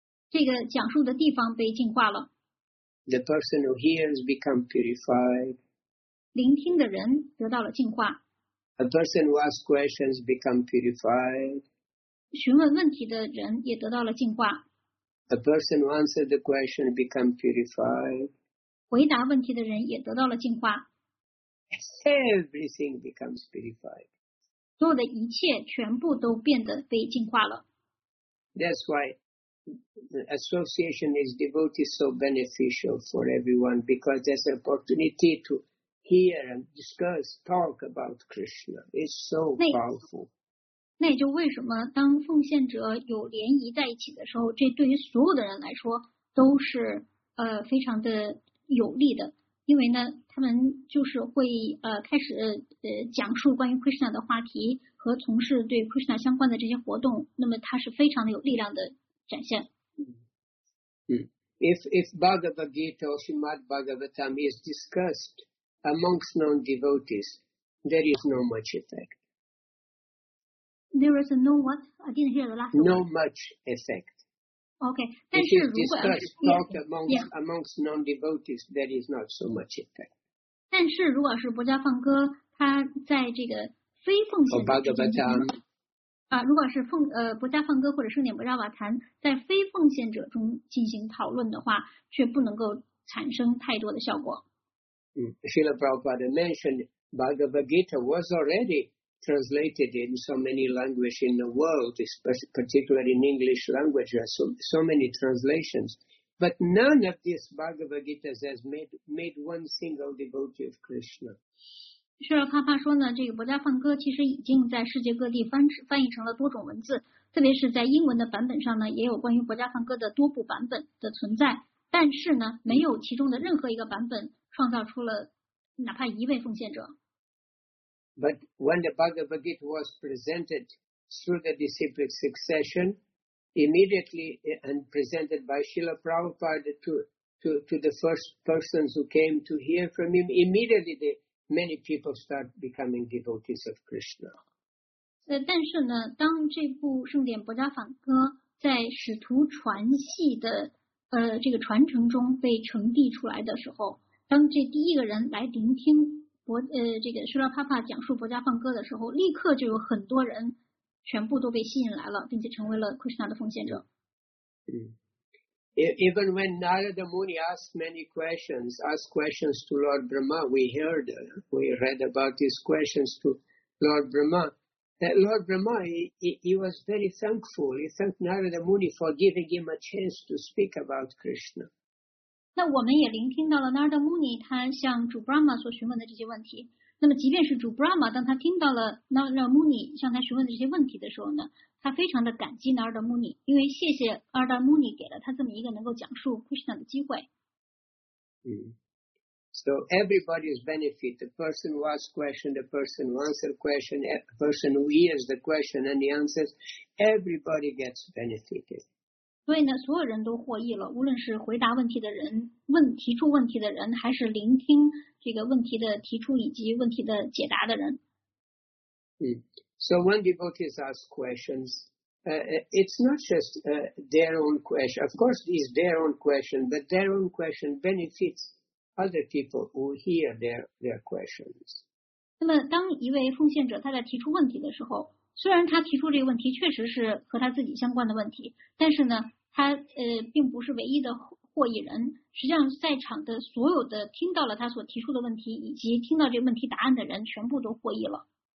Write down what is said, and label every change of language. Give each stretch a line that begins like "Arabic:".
Chinese: 这个讲述的地方被净化了。
English: The person who hears becomes purified.
Chinese: 聆听的人得到了净化。
English: A person who asks questions becomes purified.
Chinese: 询问问题的人也得到了净化。
English: A person who answered the question become purified.
Chinese: 回答问题的人也得到了净化。
English: Everything becomes purified.
Chinese: 所有的一切全部都变得被净化了。
English: That's why association is devotees so beneficial for everyone because there's an opportunity to hear and discuss, talk about Krishna. It's so powerful.
Chinese: 那也就为什么当奉献者有联谊在一起的时候，这对于所有的人来说都是非常的有利的，因为呢他们就是会开始讲述关于 Krishna 的话题和从事对 Krishna 相关的这些活动，那么它是非常的有力量的展现。
English: If Bhagavad Gita or Srimad Bhagavatam is discussed amongst non-devotees, there is no much effect. There is a no what? I didn't hear the last one. No much effect. Okay. If it's discussed amongst non-devotees, there is not so much effect.
Chinese: 但是如果是博迦梵歌，他在这个非奉献者之间。如果是博迦梵歌或者圣典博迦瓦坛在非奉献者中进行讨论的话，却不能够产生太多的效果。
English: Srila Prabhupada mentioned Bhagavad Gita was already translated in so many languages in the world, particularly in English language, there are so many translations. But none of these Bhagavad Gitas has made one single devotee of Krishna.
Chinese: 虽然帕帕说呢，这个《博迦梵歌》其实已经在世界各地翻译成了多种文字，特别是在英文的版本上呢，也有关于《博迦梵歌》的多部版本的存在。但是呢，没有其中的任何一个版本创造出了哪怕一位奉献者。
English: But when the Bhagavad Gita was presented through the disciplic succession, immediately and presented by Srila Prabhupada to the first persons who came to hear from him, immediately many people start becoming devotees of Krishna.
Chinese: 但是呢，当这部圣典《博迦梵歌》在使徒传系的这个传承中被呈递出来的时候，当这第一个人来聆听这个舍勒帕帕讲述《博迦梵歌》的时候，立刻就有很多人全部都被吸引来了，并且成为了 Krishna 的奉献者。
English: Even when Narada Muni asked questions to Lord Brahma, we read about his questions to Lord Brahma, that Lord Brahma, he was very thankful. He thanked Narada Muni for giving him a chance to speak about Krishna.
Chinese: 那我们也聆听到了 Narada Muni 他向主 Brahma 所询问的这些问题。那么即便是主 Brahma, 当他听到了 Narada Muni 向他询问的这些问题的时候呢，他非常的感激 Narada Muni, 因为谢谢 Narada Muni 给了他这么一个能够讲述 Krishna 的机会。
English: So everybody's benefit, the person who asks question, the person who answers question, the person who hears the question and the answers, everybody gets benefited.
Chinese: 所以呢，所有人都获益了，无论是回答问题的人、提出问题的人，还是聆听这个问题的提出以及问题的解答的人。
English: So when devotees ask questions, it's not just their own question. Of course, it is their own question, but their own question benefits other people who hear their questions.
Chinese: 那么，当一位奉献者他在提出问题的时候，虽然他提出这个问题确实是和他自己相关的问题，但是呢，他并不是唯一的获益人。实际上，在场的所有的听到了他所提出的问题以及听到这个问题答案的人，全部都获益了。